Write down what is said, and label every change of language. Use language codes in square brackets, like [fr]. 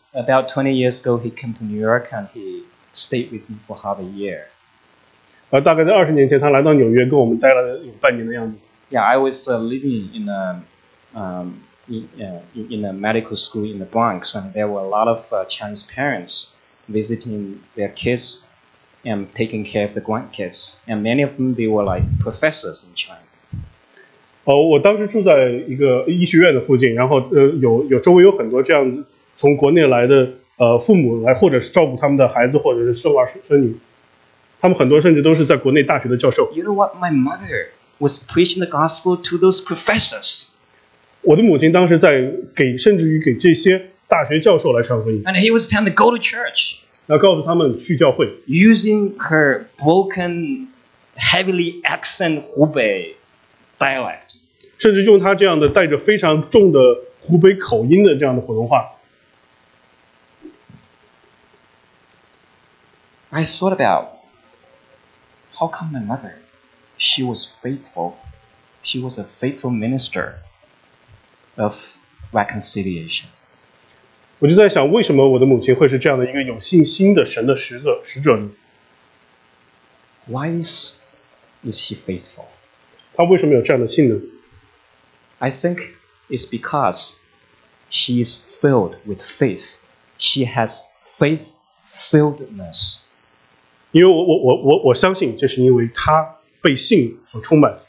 [en] About 20 years ago, he came to New York and he stayed with me for half a year. [zh] 大概在20年前，他来到纽约，跟我们待了有半年的样子。 [en] Yeah, I was living in a medical school in the Bronx, and there were a lot of Chinese parents visiting their kids and taking care of the grandkids. And many of them, they were like professors in China. [zh] 我当时住在一个医学院的附近，然后有周围有很多这样子。从国内来的父母来，或者是照顾他们的孩子，或者是生儿生女。他们很多甚至都是在国内大学的教授。 [en] You know what? My mother was preaching the gospel to those professors. [zh] 我的母亲当时在给甚至于给这些大学教授来传福音。 [en] And he was telling them to go to church. [zh] 然后告诉他们去教会。 [en] Using her broken, heavily accent Hubei dialect. [zh] 甚至用他这样的带着非常重的湖北口音的这样的普通话。 [en] I thought about how come my mother, she was faithful, she was a faithful minister of reconciliation. [zh] 我就在想，为什么我的母亲会是这样的一个有信心的神的使者呢？ [en] Why is she faithful? [zh] 她为什么有这样的信呢？ [en] I think it's because she is filled with faith. She has faith filledness. [zh] 因为我相信，这是因为他被信所充满。